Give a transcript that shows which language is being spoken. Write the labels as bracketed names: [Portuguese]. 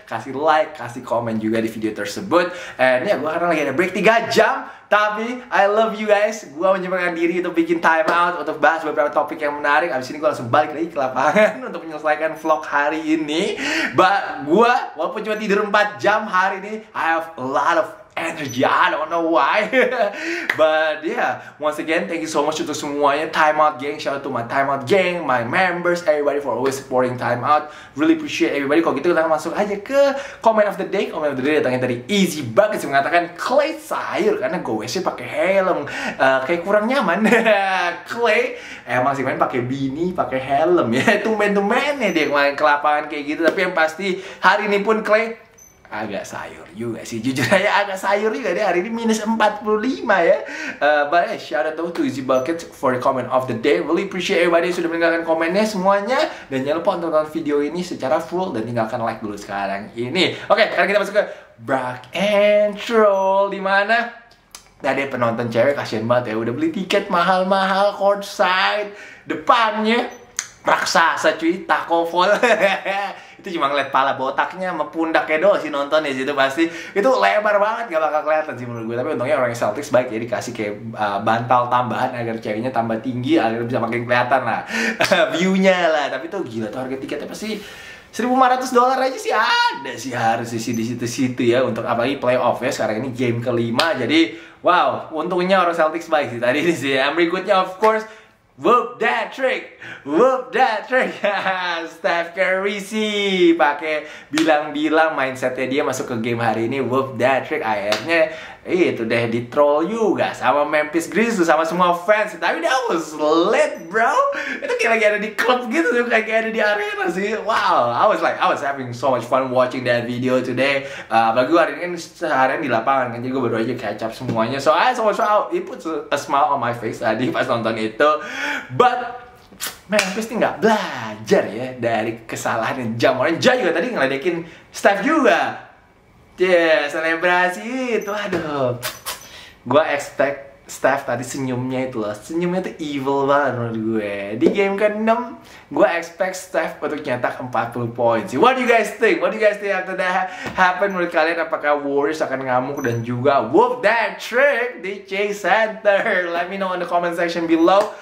[Indonesian] Kasih like, kasih komen juga di video tersebut. [English] And yeah, [Indonesian] gue karena lagi ada break 3 jam, tapi [English] I love you guys. [Indonesian] Gue menyempatkan diri untuk bikin time out untuk bahas beberapa topik yang menarik. Abis ini gue langsung balik lagi ke lapangan untuk menyelesaikan vlog hari ini. [English] But [Indonesian] gue walaupun cuma tidur 4 jam hari ini, [English] I have a lot of energy, I don't know why. But yeah, once again, thank you so much [Indonesian] untuk semuanya. [English] Time Out Gang, shout out to my Time Out Gang, my members, everybody for always supporting Time Out. Really appreciate everybody. [Indonesian] Kalau gitu kita masuk aja ke [English] comment of the day. [Indonesian] Comment of the day datangnya dari Easy Bucket yang mengatakan, Clay sayur karena gowesnya pakai helm, kayak kurang nyaman. Clay emang sih main pakai beanie, pakai helm ya. Tumben-tumben ya dia main ke lapangan kayak gitu. Tapi yang pasti hari ini pun Clay agak sayur juga sih, jujur aja agak sayur juga deh, hari ini minus 45 ya. [English] But yeah, shout out to Easy Bucket for the comment of the day. Really appreciate everybody [Indonesian] yang sudah meninggalkan komennya semuanya. Dan jangan lupa untuk nonton video ini secara full dan tinggalkan like dulu sekarang ini. Oke, sekarang kita masuk ke Brock and Troll, dimana tadi penonton cewek, kasihan banget ya, udah beli tiket mahal-mahal courtside, depannya raksasa cuy, taco fall. Itu cuma ngeliat pala botaknya sama pundaknya doang sih nonton ya situ pasti. Itu lebar banget, gak bakal kelihatan sih menurut gue. Tapi untungnya orang Celtics baik ya, dikasih kayak bantal tambahan agar ceweknya tambah tinggi, agar bisa makin kelihatan lah view-nya lah. Tapi tuh gila tuh harga tiketnya pasti $1,500 aja sih ada sih harus di situ-situ ya. Untuk apalagi playoff ya, sekarang ini game kelima. Jadi wow, untungnya orang Celtics baik sih tadi ini sih. Yang berikutnya [English] of course, whoop that trick, whoop that trick. [Indonesian] Steph Curry sih pakai bilang-bilang mindsetnya dia masuk ke game hari ini, [English] whoop that trick. [Indonesian] Akhirnya itu deh di troll juga sama Memphis Grizzlies, sama semua fans. Tapi [English] that was lit bro. [Indonesian] Itu kayak lagi ada di club gitu, kayak ada di arena sih. [English] Wow, I was having so much fun watching that video today. [Indonesian] Apalagi gue hari ini kan seharian di lapangan kan, jadi gue baru aja catch up semuanya. [English] So I saw so it put a smile on my face [Indonesian] tadi pas nonton itu. But Memphis ini gak belajar ya dari kesalahan yang jam orang. Jam juga tadi ngeledekin Steph juga. Yeah, selebrasi itu, aduh. Gua expect Steph tadi senyumnya itu loh. Senyumnya itu evil banget menurut gue. Di game ke-6, gue expect Steph untuk nyetak 40 poin sih. [English] What do you guys think? What do you guys think after that happen? [Indonesian] Menurut kalian apakah Warriors akan ngamuk dan juga [English] whoop that trick [Indonesian] di Chase Center? [English] Let me know in the comment section below.